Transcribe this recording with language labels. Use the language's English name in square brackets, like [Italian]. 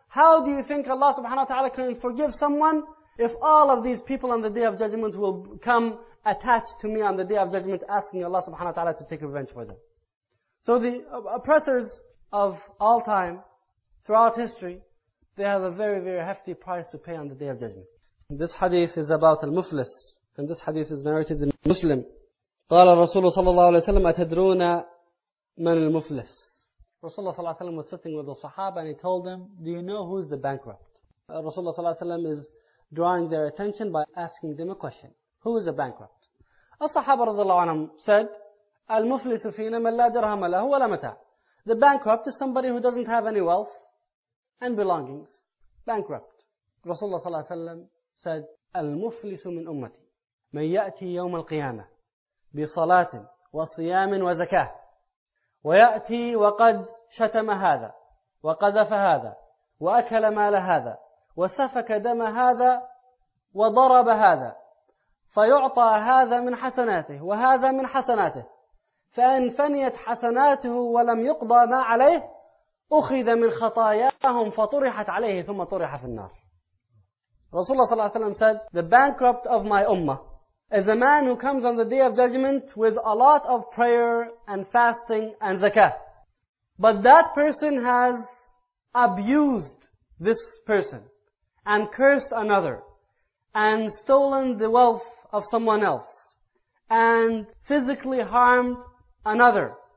[English] How do you think Allah subhanahu wa ta'ala can forgive someone if all of these people on the Day of Judgment will come attached to me on the Day of Judgment asking Allah subhanahu wa ta'ala to take revenge for them? So the oppressors of all time, throughout history, they have a very, very hefty price to pay on the Day of Judgment. This hadith is about al-muflis. And this hadith is narrated in Muslim. [Arabic] قال الرسول صلى الله عليه وسلم أتدرون من المفلس. [English] Rasulullah صلى الله عليه وسلم was sitting with the Sahaba and he told them, do you know who is the bankrupt? Rasulullah صلى الله عليه وسلم is drawing their attention by asking them a question. Who is the bankrupt? [Arabic] الصحابة رضي الله عنهم [English] said, [Arabic] المفلس فينا من لا درهم له ولا متاع. [English] The bankrupt is somebody who doesn't have any wealth and belongings. Bankrupt. [Arabic] Rasulullah صلى الله عليه وسلم [English] said, [Arabic] المفلس من أمتي من يأتي يوم القيامة بصلاة وصيام وزكاة ويأتي وقد شتم هذا وقذف هذا وأكل مال هذا وسفك دم هذا وضرب هذا فيعطى هذا من حسناته وهذا من حسناته فإن فنيت حسناته ولم يقضى ما عليه أخذ من خطاياهم فطرحت عليه ثم طرح في النار. [English] Rasulullah sallallahu alayhi wa sallam said, the bankrupt of my ummah is a man who comes on the day of judgment with a lot of prayer and fasting and zakah. But that person has abused this person and cursed another and stolen the wealth of someone else and physically harmed another.